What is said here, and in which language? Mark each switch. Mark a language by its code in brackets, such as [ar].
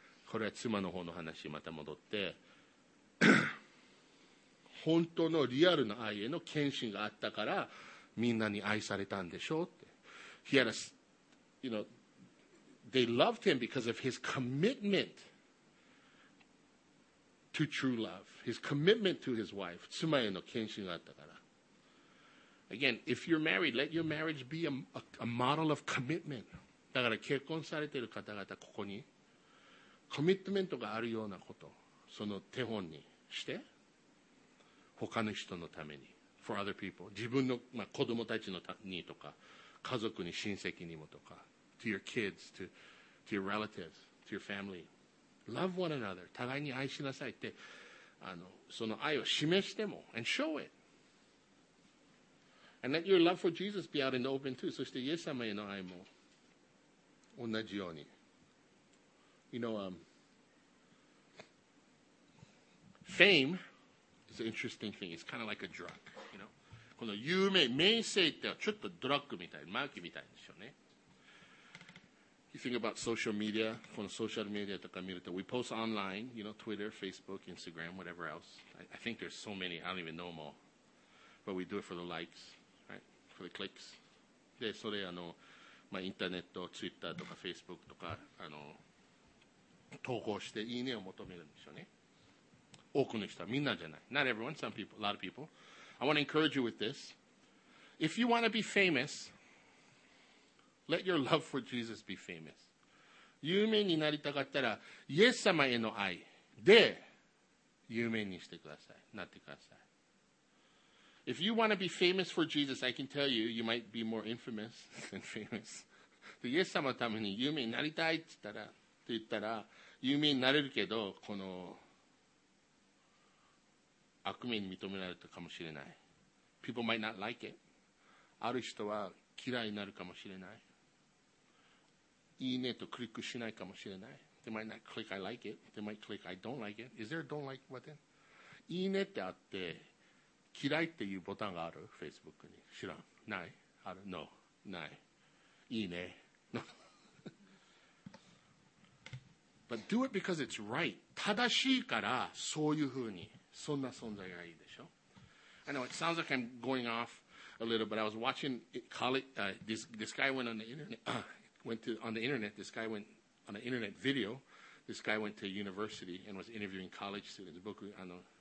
[ja] これは妻の方の話にまた戻って、本当のリアルな愛への献身があったから、みんなに愛されたんでしょうって。 [en] He had a, you know, they loved him because of his commitment. To true love, his commitment to his wife, [ja] 妻への献身があったから。 [en] Again, if you're married, let your marriage be a model of commitment. [ja] だから結婚されている方々ここに、コミットメントがあるようなこと、その手本にして、他の人のために、 [en] for other people, [ja] 自分の、まあ、子供たちのためにとか、家族に、親戚にもとか、 [en] to your kids, to your relatives, to your family. Love one another. [ja] 互いに愛しなさいって、その愛を示しても、 [en] and show it. And let your love for Jesus be out in the open too. [ja] そしてイエス様への愛も同じように。 [en] You know, fame is an interesting thing. It's kind of like a drug. You know, [ja] この有名、名声ってちょっとドラッグみたい、麻薬みたいでしょうね。 [en] You think about social media, [ja] この social media とか見ると、 [en] we post online, you know, Twitter, Facebook, Instagram, whatever else. I think there's so many, I don't even know them all. But we do it for the likes, right? For the clicks. [ja] で、それ、あの、まあ、インターネット、ツイッターとかフェイスブックとか、あの、投稿して、いいねを求めるんですよね。多くの人は、みんなじゃない。 [en] Not everyone, some people, a lot of people. I want to encourage you with this. If you want to be famous, let your love for Jesus be famous. [ja] 有名になりたかったら、イエス様への愛で、有名にしてください。なってください。 [en] If you want to be famous for Jesus, I can tell you, you might be more infamous than famous. [ja] で、イエス様のために有名になりたいって言ったら、有名になれるけど、この悪名に認められたかもしれない。 [en] People might not like it. [ja] ある人は嫌いになるかもしれない。いいねとクリックしないかもしれない。 [en] They might not click I like it. They might click I don't like it. Is there a don't like button? [ja] いいねってあって、嫌いっていうボタンがある Facebook に知らんないある No ないいいね No [en] But do it because it's right [ja] 正しいからそういうふうにそんな存在がいいでしょ [en] I know it sounds like I'm going off a little but I was watching it, call it, this guy went on the internet this guy went to university and was interviewing college students [ja] 僕あの